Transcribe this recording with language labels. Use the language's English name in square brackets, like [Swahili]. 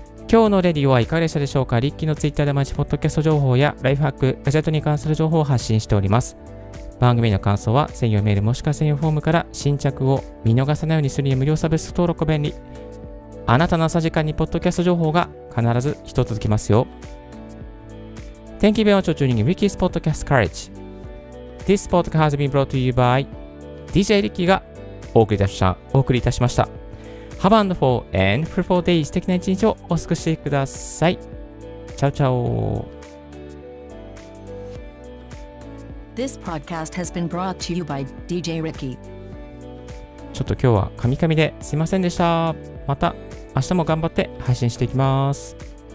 [Japanese] 今日のレディオはいかがでしたでしょうか。リッキーのツイッターで毎日ポッドキャスト情報やライフハック、ガジェットに関する情報を発信しております。番組の感想は専用メールもしくは専用フォームから新着を見逃さないようにするには無料サブスク登録が便利。あなたの朝時間にポッドキャスト情報が必ず一つ続きますよ。 [English] Thank you very much for tuning in Ricky's Podcast Courage. This podcast has been brought to you by DJ Ricky [Japanese] がお送りいたしました。 [English] Have a wonderful and fruitful day. [Japanese] 素敵な一日をお過ごしください。チャオチャオ。 This podcast has been brought to you by DJ Ricky. ちょっと今日はカミカミですいませんでした。また明日も頑張って配信していきます。